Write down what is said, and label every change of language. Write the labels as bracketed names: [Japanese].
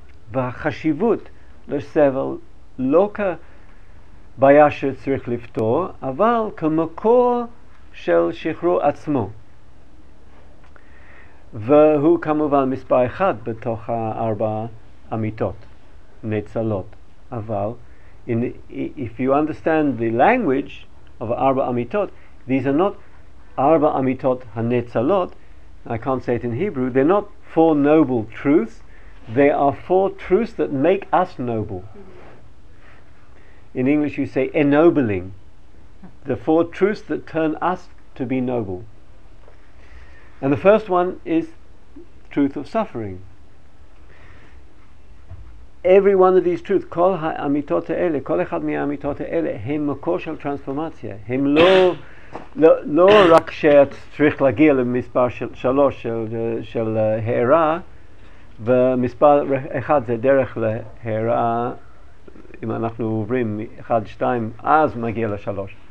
[Hebrew] והחשיבות לסבל לא כבעיה שצריך לפתור, אבל כמקור של שחרור עצמו. והוא כמובן מספר אחד בתוך הארבע אמיתות נצלות. [English] אבל if you understand the language of ארבע אמיתות, these are not ארבע אמיתות הנצלות, I can't say it in Hebrew, they're not four noble truths, they are four truths that make us noble. In English you say ennobling, the four truths that turn us to be noble. And the first one is truth of suffering. Every one of these truths, [Hebrew] כל האמיתות האלה, כל אחד מהאמיתות האלה, הם מקור של טרנספורמציה. הם לא רק שאת צריך להגיע למספר של, שלוש של הערה, ומספר אחד זה דרך להערה, אם אנחנו עוברים אחד, שתיים, אז מגיע לשלוש.